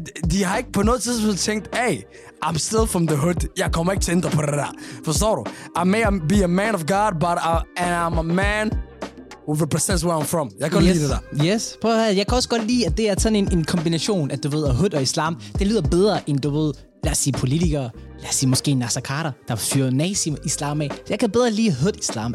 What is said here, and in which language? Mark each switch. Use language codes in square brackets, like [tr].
[da] De har ikke på noget tidspunkt tænkt, [en] hey, I'm still from the hood. [da] Jeg kommer ikke til at ændre på det der. Forstår du? [en] I may be a man of God, but I'm a man who represents where I'm from. [da] Jeg kan godt lide det der. Yes. Prøv at høre. Jeg kan også godt lide, at det er sådan en kombination, at du ved, at hood og islam, det lyder bedre, end du ved, lad os sige politikere, lad os sige måske Nasser Carter, der fyrer nazi-islam af. Jeg kan bedre lige hood islam.